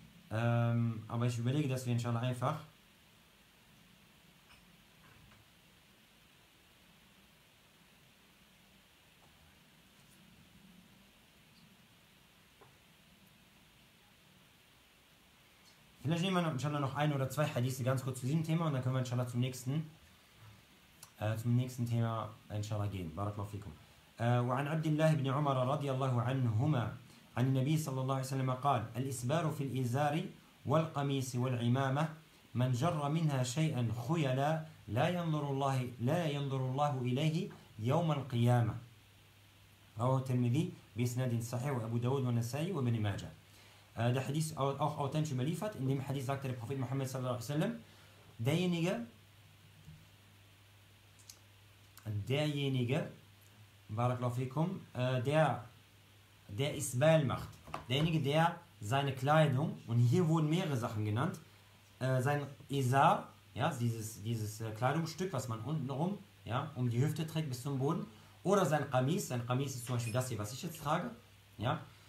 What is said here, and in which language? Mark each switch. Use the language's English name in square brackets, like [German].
[German] Aber ich überlege, dass wir inshallah einfach vielleicht nehmen wir inshallah noch ein oder zwei Hadithe ganz kurz zu diesem Thema und dann können wir inshallah zum nächsten Thema inshallah gehen. [Arabic] Barakallahu fikum. وعن عبد الله بن عمر رضي الله عنهما عن النبي صلى الله عليه وسلم قال الإسبار في الإزار والقميص والعمامة من جر منها شيئا خيلا لا ينظر الله إليه يوم القيامة. رواه الترمذي بإسناد صحيح وأبو داود والنسائي وابن ماجه. [German] Der Hadith auch authentisch überliefert, in dem Hadith sagte der Prophet Muhammad sallallahu alaihi wa sallam, derjenige, barakallahu fikum, der Isbal macht, derjenige, der seine Kleidung, und hier wurden mehrere Sachen genannt, sein Isar, ja, dieses Kleidungsstück, was man unten rum, ja, um die Hüfte trägt bis zum Boden, oder sein Qamis ist zum Beispiel das hier, was ich jetzt trage, ja,